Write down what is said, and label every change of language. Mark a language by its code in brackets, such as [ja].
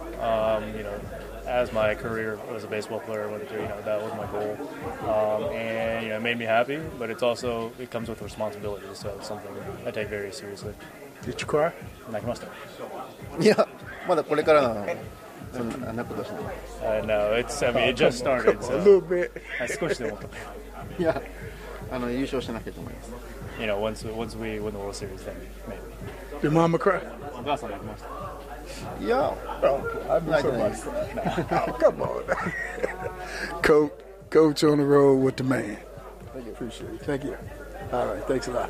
[en] You know, as my career as a baseball player went through, you know, that was my goal. And you know, it made me happy, but it comes with responsibility, so it's something I take very seriously. Did you cry? [ja] 泣きました。いや、まだこれからなの。そんな泣くとしない。 [en] No, it's, I mean, it just started. A little bit. [ja] 少しでも。いや、優勝してなきゃと思います。 [en] You know, once we win the World Series, then maybe. Did Mama cry? Yeah, I'm not so much. Come on, Coach. Coach on the road with the man. Thank you. Appreciate it. Thank you. All right. Thanks a lot.